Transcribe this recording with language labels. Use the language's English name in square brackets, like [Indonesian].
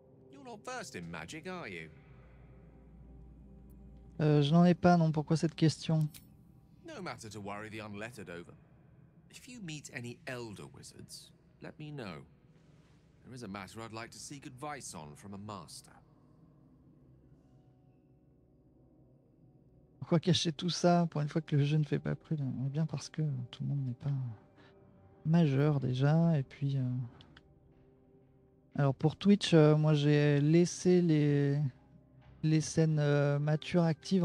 [English] You're not versed in magic, are you? [French] Je n'en ai pas, non, pourquoi cette question? [English] No matter to worry the unlettered over. If you meet any elder wizards, let me know. There is a matter I'd like to seek advice on from a master. [French] Pourquoi cacher tout ça pour une fois que le jeu ne fait pas prix? Eh bien parce que tout le monde n'est pas majeur déjà. Et puis, alors pour Twitch, moi j'ai laissé les scènes matures actives.